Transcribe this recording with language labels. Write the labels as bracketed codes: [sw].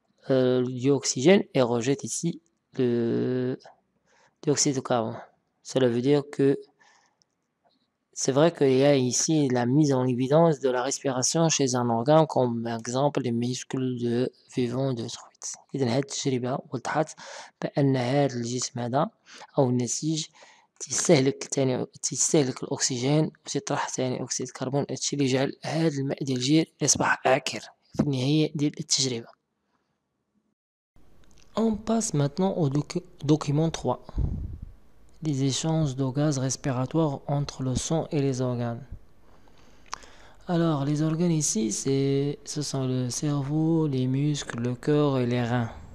[fr] Le dioxygène et rejette ici le dioxyde de carbone. Cela veut dire que C'est vrai qu'il y a ici la mise en évidence de la respiration chez un organe, comme par exemple les muscles de vivant de truite. [ar] إذا هذه التجربة وضحت بأن هذا الجسم هذا أو النسيج تستهلك الأكسجين وتطرح ثاني أكسيد الكربون، هادشي اللي جعل هذا الماء ديال الجير يصبح عاكر في النهاية ديال التجربة. [fr] On passe maintenant au document 3. Les échanges de gaz respiratoire entre le sang et les organes. Alors, les organes ici, ce sont le cerveau, les muscles, le cœur et les reins.